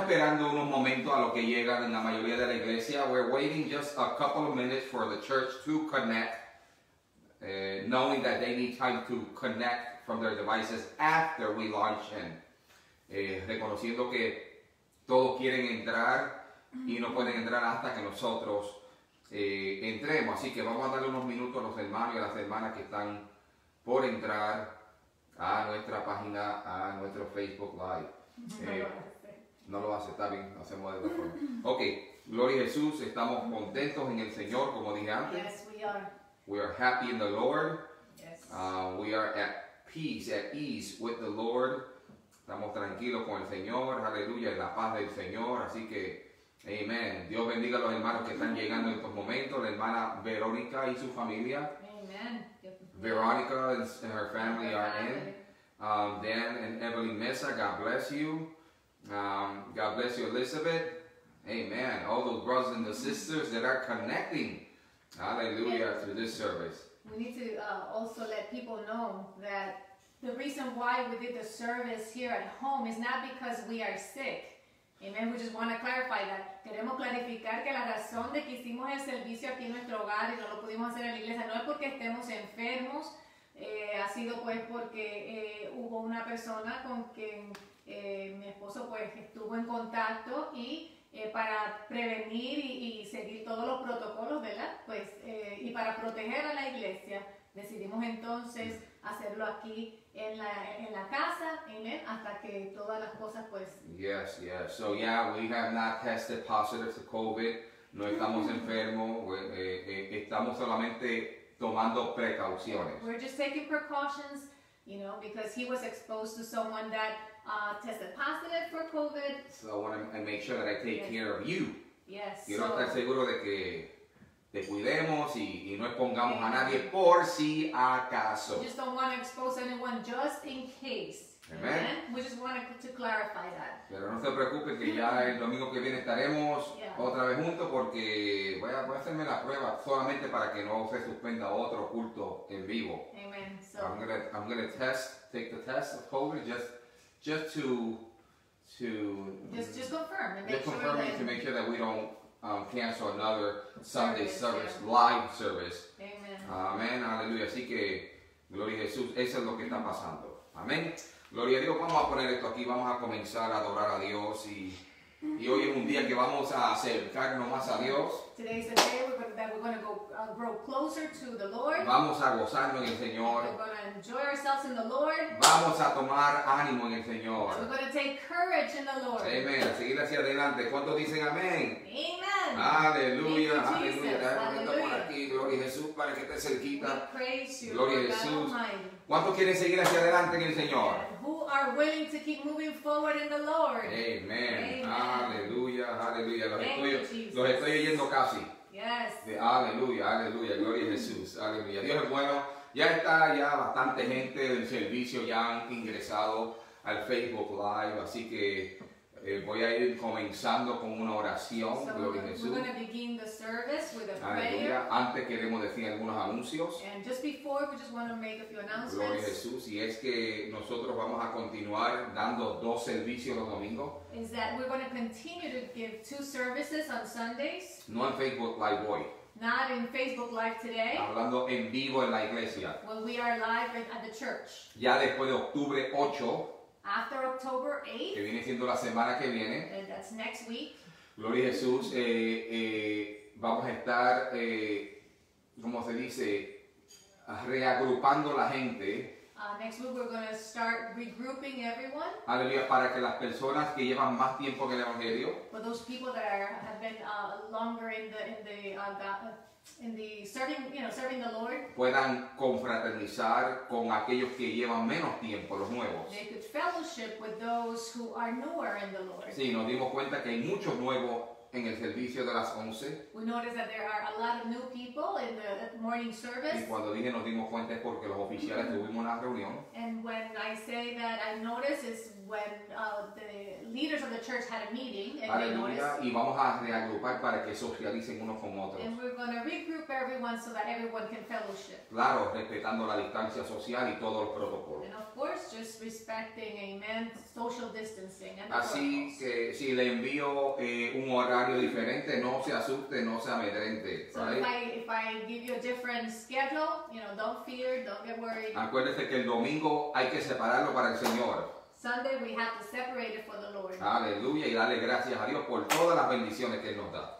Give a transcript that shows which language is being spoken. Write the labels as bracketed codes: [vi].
[es] esperando unos momentos a lo que llega en la mayoría de la iglesia. [en] We're waiting just a couple of minutes for the church to connect, knowing that they need time to connect from their devices after we launch in. [es] Reconociendo que todos quieren entrar y no pueden entrar hasta que nosotros entremos. Así que vamos a darle unos minutos a los hermanos y a las hermanas que están por entrar a nuestra página, a nuestro Facebook Live. No lo hace, está bien, lo hacemos de otra forma. Ok, gloria a Jesús, estamos contentos en el Señor, como dije antes. [en] Yes, we are. We are happy in the Lord. Yes. We are at peace, at ease with the Lord. [es] Estamos tranquilos con el Señor, aleluya, en la paz del Señor. Así que, amen. Dios bendiga a los hermanos que están llegando en estos momentos, la hermana Verónica y su familia. [en] Amen. Veronica and her family are in. Dan and Evelyn Mesa, God bless you. God bless you, Elizabeth. Amen. All those brothers and the sisters that are connecting. Hallelujah, yeah, through this service. We need to also let people know that the reason why we did the service here at home is not because we are sick. Amen. We just want to clarify that. [es] Queremos clarificar que la razón de que hicimos el servicio aquí en nuestro hogar y no lo pudimos hacer en la iglesia no es porque estemos enfermos, ha sido pues porque hubo una persona con quien mi esposo pues estuvo en contacto y para prevenir y seguir todos los protocolos, ¿verdad? Pues y para proteger a la iglesia decidimos entonces hacerlo aquí en la casa, amen, hasta que todas las cosas pues. [en] Yes, yes. So yeah, we have not tested positive to COVID. [es] No estamos enfermos. Estamos solamente tomando precauciones. [en] We're just taking precautions, you know, because he was exposed to someone that tested positive for COVID. So I want to make sure that I take yes care of you. Yes. [es] Quiero estar seguro de que te cuidemos y no expongamos amen a nadie por si acaso. [en] We just don't want to expose anyone just in case. Amen. Amen. We just want to clarify that. [es] Pero no se preocupe que ya el domingo que viene estaremos [en] yeah [es] otra vez juntos porque voy a hacerme la prueba solamente para que no se suspenda otro culto en vivo. [en] Amen. So I'm gonna take the test of COVID just to confirm. To make sure that we don't cancel another Sunday service, yeah, live service. Amen. [es] Amen. Aleluya. Así que, gloria a Jesús. Eso es lo que está pasando. Amén. Gloria a Dios. Vamos a poner esto aquí. Vamos a comenzar a adorar a Dios y Y hoy es un día que vamos a acercarnos más a Dios. [en] Today is the day we're going to grow closer to the Lord. [es] Vamos a gozarnos en el Señor. [en] We're going to enjoy ourselves in the Lord. [es] Vamos a tomar ánimo en el Señor. [en] So we're going to take courage in the Lord. [es] Amen. A seguir hacia adelante. ¿Cuántos dicen amén? Amen. Aleluya. Gloria a Jesús, para que esté cerquita. Gloria a Jesús. ¿Cuántos quieren seguir hacia adelante en el Señor? [en] Who are willing to keep moving forward in the Lord? [es] Amen. Aleluya, aleluya. Los estoy oyendo casi. [en] Yes. [es] Aleluya, aleluya. Gloria a Jesús. Aleluya. Dios es bueno. Ya está bastante gente del servicio ya han ingresado al Facebook Live, así que voy a ir comenzando con una oración. [en] So [es] gloria a Jesús. [en] We're going to begin the service with a prayer. [es] Aleluya. Antes queremos decir algunos anuncios. [en] And just before, we just want to make a few announcements. [es] Gloria a Jesús. Y es que nosotros vamos a continuar dando dos servicios los domingos. [en] Is that we're going to continue to give two services on Sundays. [es] No en Facebook Live hoy. [en] Not in Facebook Live today. [es] Hablando en vivo en la iglesia. [en] Well, we are live at the church. [es] Ya después de octubre 8. [en] After October 8th, [es] que viene siendo la semana que viene, [en] that's next week. [es] Gloria a Jesús, vamos a estar, como se dice, reagrupando la gente. [en] Next week we're going to start regrouping everyone. [es] Aleluya, para que las personas que llevan más tiempo en el Evangelio, [en] for those people that have been longer in the serving the Lord, [es] puedan confraternizar con aquellos que llevan menos tiempo, los nuevos. [en] They could fellowship with those who are newer in the Lord. [es] Sí, nos dimos cuenta que hay muchos nuevos en el servicio de las 11. [en] We noticed that there are a lot of new people in the morning service. [es] Y cuando dije nos dimos cuenta es porque los oficiales tuvimos una reunión. [en] And when I say that I noticed is when the leaders of the church had a meeting and [es] aleluya, [en] they noticed. [es] Y vamos a reagrupar para que socialicen unos con otros. [en] And we're going to regroup everyone so that everyone can fellowship. [es] Claro, respetando la distancia social y todo el protocolo. [en] And of course, just respecting, amen, social distancing. And [es] así que si le envío un horario diferente, no se asuste, no se amedrente. [en] So if I give you a different schedule, you know, don't fear, don't get worried. [es] Acuérdese que el domingo hay que separarlo para el Señor. [en] Sunday we have to separate it for the Lord. [es] Aleluya, y dale gracias a Dios por todas las bendiciones que Él nos da.